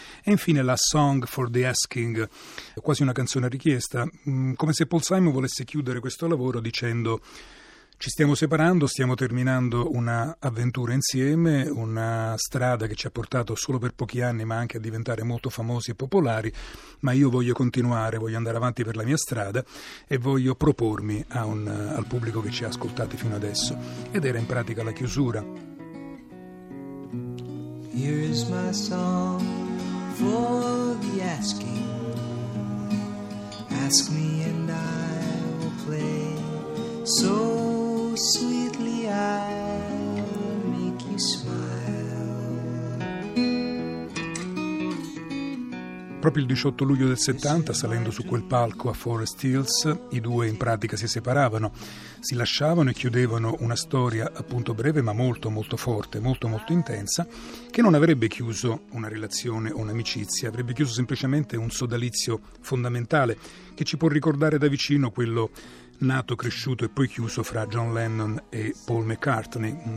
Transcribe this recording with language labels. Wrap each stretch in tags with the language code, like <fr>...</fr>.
<it>E infine la Song for the Asking, quasi una canzone richiesta, come se Paul Simon volesse chiudere questo lavoro dicendo: ci stiamo separando, stiamo terminando un'avventura insieme, una strada che ci ha portato solo per pochi anni ma anche a diventare molto famosi e popolari, ma io voglio continuare, voglio andare avanti per la mia strada e voglio propormi al pubblico che ci ha ascoltati fino adesso. Ed era in pratica la chiusura.</it> <en>Here is my song for the asking. Ask me and I will play so sweetly, I'll make you smile.</en> <it>Proprio il 18 luglio del 70, salendo su quel palco a Forest Hills, i due in pratica si separavano, si lasciavano e chiudevano una storia appunto breve ma molto molto forte, molto molto intensa, che non avrebbe chiuso una relazione o un'amicizia, avrebbe chiuso semplicemente un sodalizio fondamentale che ci può ricordare da vicino quello nato, cresciuto e poi chiuso fra John Lennon e Paul McCartney.</it>